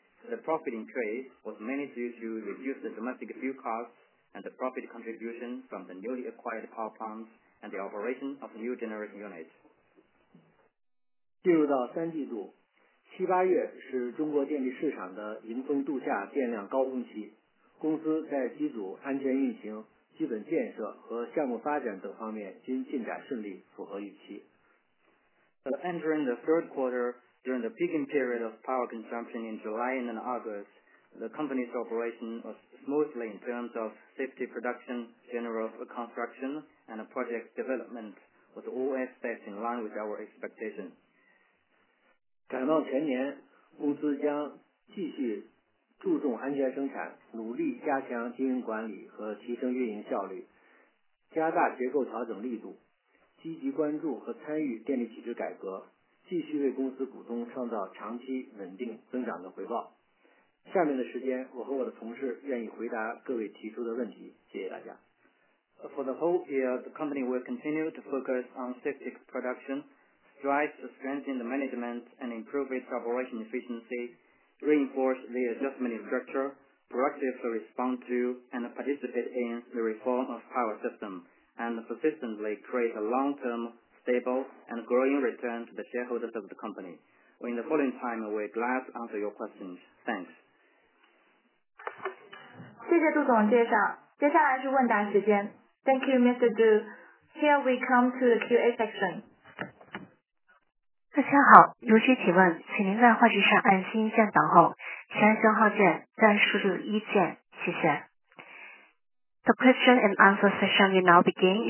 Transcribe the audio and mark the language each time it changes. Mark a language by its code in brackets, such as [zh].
[en] The profit increase was mainly due to reduced domestic fuel costs and the profit contribution from the newly acquired power plants and the operation of new generation units. [zh] 进入到三季度，七八月是中国电力市场的迎峰度夏电量高峰期，公司在机组安全运行、基本建设和项目发展等方面均进展顺利，符合预期。 [en] Entering the third quarter, during the peaking period of power consumption in July and in August, the company's operation was smoothly in terms of safety production, general construction, and project development, with all aspects in line with our expectations. [zh] 展望全年，公司将继续注重安全生产，努力加强经营管理和提升运营效率，加大结构调整力度，积极关注和参与电力体制改革，继续为公司股东创造长期稳定增长的回报。下面的时间，我和我的同事愿意回答各位提出的问题，谢谢大家。 [en] For the whole year, the company will continue to focus on safety production, strive to strengthen the management and improve its operation efficiency, reinforce the adjustment structure, proactively respond to and participate in the reform of power system. And persistently create a long-term, stable, and growing return to the shareholders of the company. In the following time, we're glad to answer your questions. Thanks. [zh] 谢谢杜总介绍。接下来是问答时间。 [en] Thank you, Mr. Du. Here we come to the Q&A section. [zh] 大家好，有些提问，请您在话机上按星键等候，先按星号键，再输入一键，谢谢。 [en] The question and answer session will now begin.